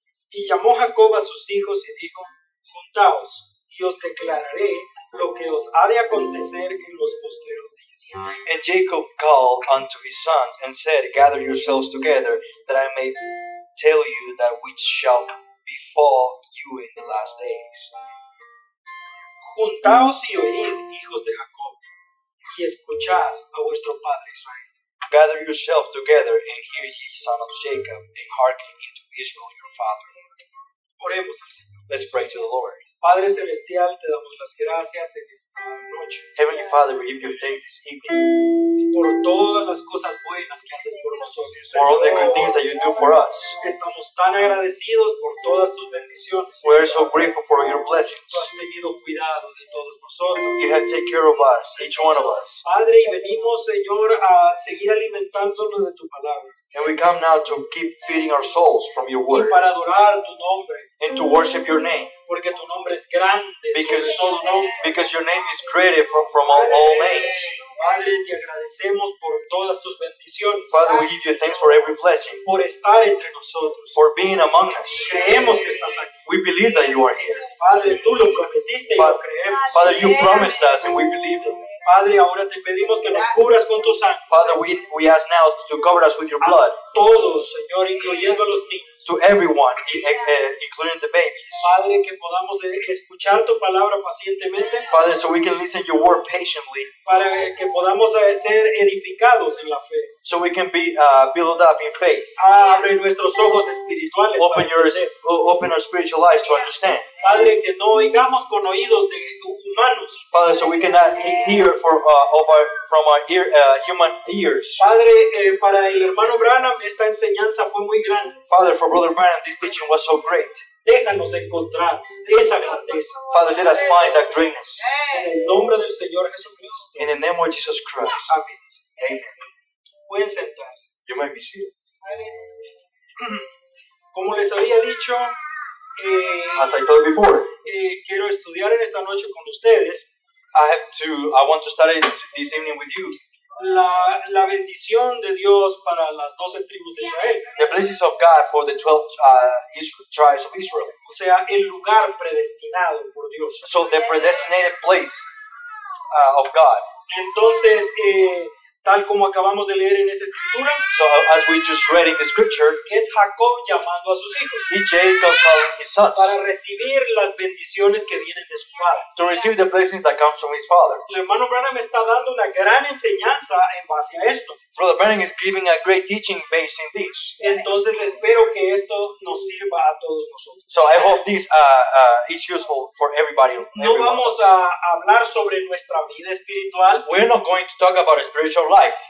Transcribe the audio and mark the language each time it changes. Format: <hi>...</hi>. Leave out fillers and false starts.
<es>Y llamó Jacob a sus hijos y dijo, juntaos, y os declararé lo que os ha de acontecer en los postreros días.</es> <en>And Jacob called unto his son and said, gather yourselves together, that I may tell you that which shall befall you in the last days.</en> <es>Juntaos y oíd, hijos de Jacob, y escuchad a vuestro padre Israel.</es> <en>Gather yourselves together and hear ye, son of Jacob, and hearken unto Israel your father.</en> <es>Oremos al Señor.</es> <en>Let's pray to the Lord.</en> <es>Padre celestial, te damos las gracias en esta noche.</es> <en>Heavenly Father, we give you thanks this evening.</en> <es>Por todas las cosas buenas que haces por nosotros.</es> <en>For all the good things that you do for us.</en> <es>Estamos tan agradecidos por todas tus bendiciones.</es> <en>We are so grateful for your blessings.</en> <es>Tú has tenido cuidado de todos nosotros.</es> <en>You have taken care of us, each one of us.</en> <es>Padre, y venimos, Señor, a seguir alimentándonos de tu palabra.</es> <en>And we come now to keep feeding our souls from your word.</en> <es>Y para adorar tu nombre.</es> <en>And to worship your name.</en> <es>Porque tu nombre es grande sobre todo nombre.</es> <en>Because your name is greater from all names.</en> <es>Padre, te agradecemos por todas tus bendiciones.</es> <en>Father, we give you thanks for every blessing.</en> <es>Por estar entre nosotros.</es> <en>For being among us.</en> <es>Creemos que estás aquí.</es> <en>We believe that you are here.</en> <es>Padre, tú lo prometiste y lo creemos.</es> <en>Father, you promised us and we believe it.</en> <es>Padre, ahora te pedimos que nos cubras con tu sangre.</es> <en>Father, we ask now to cover us with your blood.</en> <es>A todos, Señor, incluyendo a los niños.</es> <en>To everyone, including the babies.</en> <es>Padre, que podamos escuchar tu palabra pacientemente.</es> <en>Father, so we can listen your word patiently.</en> <es>Para que podamos ser edificados en la fe.</es> <en>So we can be built up in faith.</en> <es>Abre nuestros ojos espirituales.</es> <en>Open our spiritual eyes to understand.</en> <es>Padre, que no oigamos con oídos de humanos.</es> <en>Father, so we cannot hear human ears.</en> <es>Padre, para el hermano Branham esta enseñanza fue muy grande.</es> <en>Father, for Brother Branham, this teaching was so great.</en> <es>Déjanos encontrar esa grandeza.</es> <en>Father, let us find that greatness.</en> <es>En el nombre del Señor Jesucristo.</es> <en>In the name of Jesus Christ.</en> <es>Amén.</es> <en>Amen.</en> <es>Pueden sentarse.</es> <en>You may be seated.</en> <es>Como les había dicho,</es> <en>as I told before,</en> <es>quiero estudiar en esta noche con ustedes.</es> <en>I want to study this evening with you.</en> <es>La bendición de Dios para las 12 tribus de Israel.</es> <en>The blessings of God for the 12 tribes of Israel.</en> <es>O sea, el lugar predestinado por Dios.</es> <en>So the predestinated place of God.</en> <es>Entonces, tal como acabamos de leer en esa escritura.</es> <en>So as we just read in the scripture.</en> <es>Es Jacob llamando a sus hijos.</es> <en>Is Jacob calling his sons.</en> <es>Para recibir las bendiciones que vienen de su padre.</es> <en>To receive the blessings that come from his father.</en> <es>El hermano Branham está dando una gran enseñanza en base a esto.</es> <en>Brother Branham is giving a great teaching based in this.</en> <es>Entonces espero que esto nos sirva a todos nosotros.</es> <en>So I hope this is useful for everybody.</en> <es>No vamos a hablar sobre nuestra vida espiritual.</es> <en>We're not going to talk about spiritual life.</en>